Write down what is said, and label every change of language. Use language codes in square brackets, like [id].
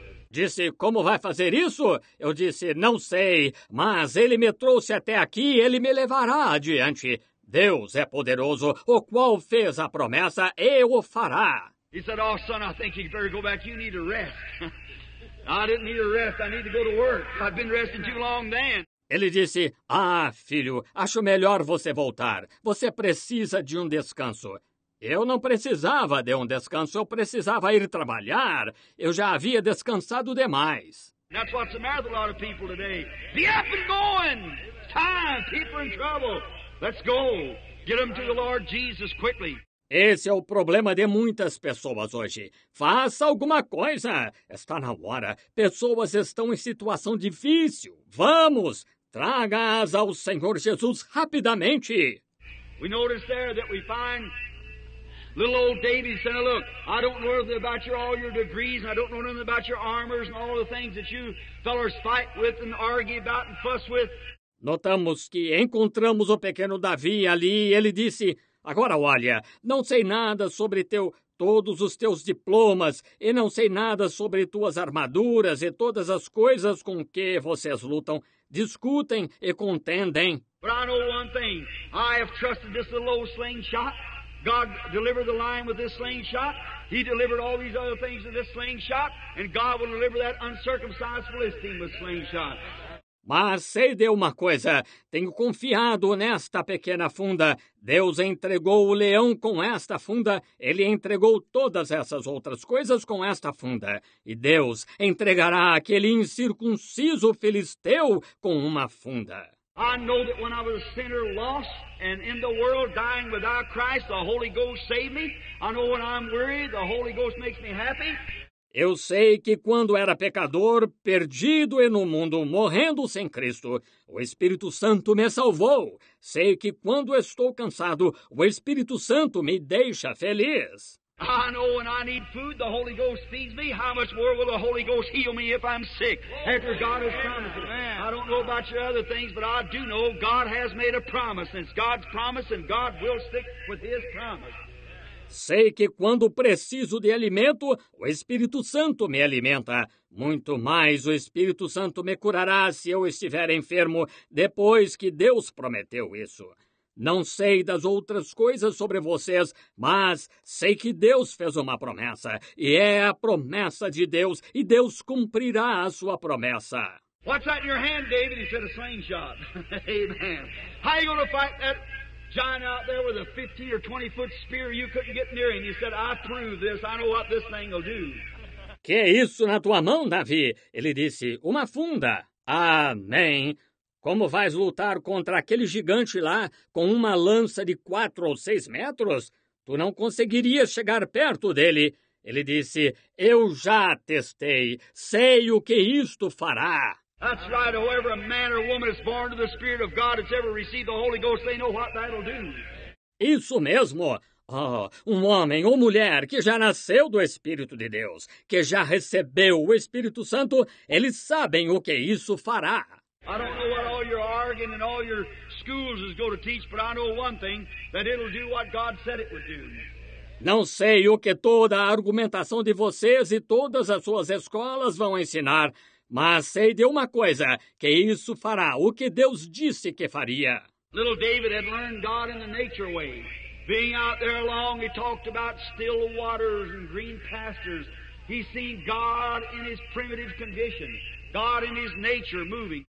[pt] Disse, como vai fazer isso? Eu disse, não sei, mas ele me trouxe até aqui e ele me levará adiante. Deus é poderoso, o qual fez a promessa e o fará. [en] He said, oh, son, I think you'd better go back. You need a rest. I didn't need a rest. I need to go to work. I've been resting too long then. [pt] Ele disse, ah, filho, acho melhor você voltar. Você precisa de um descanso. Eu não precisava de um descanso, eu precisava ir trabalhar. Eu já havia descansado demais. [en] That's what's the matter with a lot of people today. Be up and going! Time, people in trouble. Let's go. Get them to the Lord Jesus quickly. [pt] Esse é o problema de muitas pessoas hoje. Faça alguma coisa. Está na hora. Pessoas estão em situação difícil. Vamos! Traga-as ao Senhor Jesus rapidamente. [en] We notice there that we find little old Davy saying, look, I don't know anything about your, all your degrees, and I don't know nothing about your armors and all the things that you fellas fight with and argue about and fuss with. [pt] Notamos que encontramos o pequeno Davi ali e ele disse, agora olha, não sei nada sobre todos os teus diplomas e não sei nada sobre tuas armaduras e todas as coisas com que vocês lutam, discutem e contendem. [en] But I know one thing, I have trusted this little old slingshot. God delivered the lion with this slingshot. He delivered all these other things with this slingshot. And God will deliver that uncircumcised Philistine with slingshot. [pt] Mas sei de uma coisa, tenho confiado nesta pequena funda. Deus entregou o leão com esta funda, ele entregou todas essas outras coisas com esta funda. E Deus entregará aquele incircunciso filisteu com uma funda. [en] I know that when I was a sinner lost and in the world dying without Christ, the Holy Ghost saved me. I know when I'm weary, the Holy Ghost makes me happy. [pt] Eu sei que quando era pecador, perdido e no mundo, morrendo sem Cristo, o Espírito Santo me salvou. Sei que quando estou cansado, o Espírito Santo me deixa feliz. [en] I know when I need food, the Holy Ghost feeds me. How much more will the Holy Ghost heal me if I'm sick? After God has promised it. I don't know about your other things, but I do know God has made a promise. It's God's promise and God will stick with his promise. [pt] Sei que quando preciso de alimento, o Espírito Santo me alimenta. Muito mais o Espírito Santo me curará se eu estiver enfermo depois que Deus prometeu isso. Não sei das outras coisas sobre vocês, mas sei que Deus fez uma promessa. E é a promessa de Deus, e Deus cumprirá a sua promessa. [en] What's that in your hand, David? He said a slingshot. Amen. How are you going to fight that giant out there with a 15 or 20 foot spear you couldn't get near him? He said, I prove this, I know what this thing will do. [pt] Que é isso na tua mão, Davi? Ele disse, uma funda. Amém. Como vais lutar contra aquele gigante lá com uma lança de 4 ou 6 metros? Tu não conseguirias chegar perto dele. Ele disse, eu já testei, sei o que isto fará. [en] That's right, whoever a man or woman is born to the Spirit of God has ever received the Holy Ghost, they know what that'll do. [pt] Isso mesmo. Oh, um homem ou mulher que já nasceu do Espírito de Deus, que já recebeu o Espírito Santo, eles sabem o que isso fará. [en] I don't know what all your arguing and all your schools is going to teach, but I know one thing, that it'll do what God said it would do. [pt] Não sei o que toda a argumentação de vocês e todas as suas escolas vão ensinar, mas sei de uma coisa, que isso fará o que Deus disse que faria. [en] Little David had learned God in the nature way. Being out there along, he talked about still waters and green pastures. He seen God in his primitive condition, God in his nature moving.